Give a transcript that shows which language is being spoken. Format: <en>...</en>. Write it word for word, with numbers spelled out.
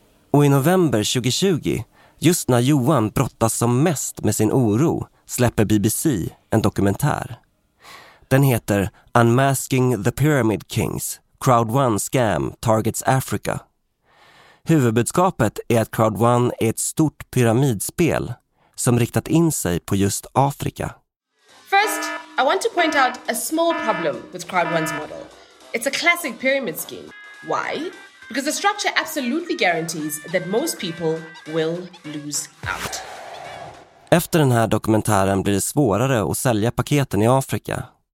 <sv>Och i november tjugohundratjugo, just när Johan brottas som mest med sin oro, släpper B B C en dokumentär. Den heter Unmasking the Pyramid Kings, Crowd One Scam Targets Africa. Huvudbudskapet är att Crowd One är ett stort pyramidspel som riktat in sig på just Afrika.</sv> <en>First, I want to point out a small problem with Crowd one's model. It's a classic pyramid scheme. Why? Because the structure absolutely guarantees that most people will lose out.</en> <sv>Efter den här dokumentären blir det svårare att sälja paketen i Afrika.</sv>